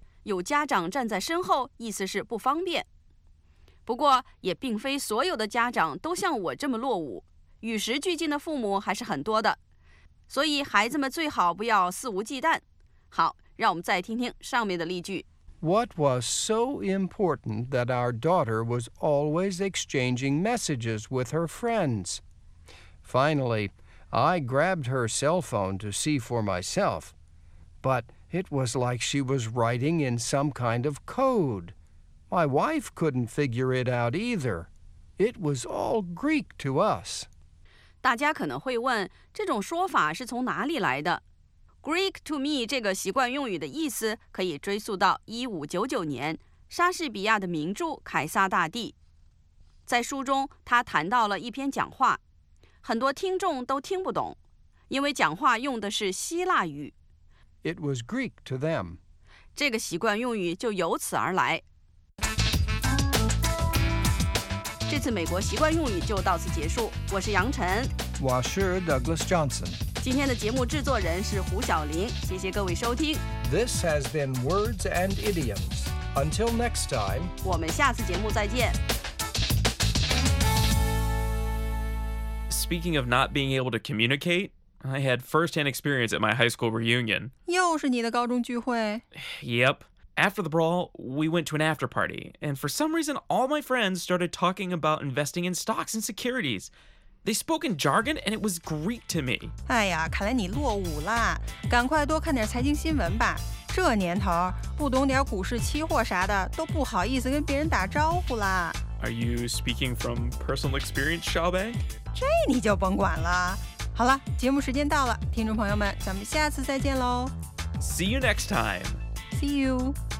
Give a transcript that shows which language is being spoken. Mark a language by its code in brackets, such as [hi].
[zh] 有家长站在身后，意思是不方便。不过也并非所有的家长都像我这么落伍，与时俱进的父母还是很多的，所以孩子们最好不要肆无忌惮。好，让我们再听听上面的例句。 [en] What was so important that our daughter was always exchanging messages with her friends? Finally, I grabbed her cell phone to see for myself, but it was like she was writing in some kind of code. My wife couldn't figure it out either. It was all Greek to us. [zh] 大家可能会问，这种说法是从哪里来的？ [en] Greek to me [zh] 这个习惯用语的意思可以追溯到1599年莎士比亚的名著《凯撒大帝》。在书中他谈到了一篇讲话，很多听众都听不懂，因为讲话用的是希腊语。 [en] It was Greek to them. [zh] 这个习惯用语就由此而来。这次美国习惯用语就到此结束，我是杨晨，我是 Douglas Johnson。今天的节目制作人是胡晓玲，谢谢各位收听。 [en] This has been Words and Idioms. Until next time， [zh] 我们下次节目再见。 [en] Speaking of not being able to communicate, I had first-hand experience at my high school reunion. [zh] 又是你的高中聚会？ [en] Yep. After the brawl, we went to an after party, and for some reason, all my friends started talking about investing in stocks and securities. They spoke in jargon, and it was Greek to me. [zh] 哎呀，看来你落伍了，赶快多看点财经新闻吧。这年头，不懂点股市期货啥的，都不好意思跟别人打招呼了。 [en] Are you speaking from personal experience, Xiaobei? [zh] 这你就甭管了。好了，节目时间到了，听众朋友们，咱们下次再见咯。 [en] See you next time. See you.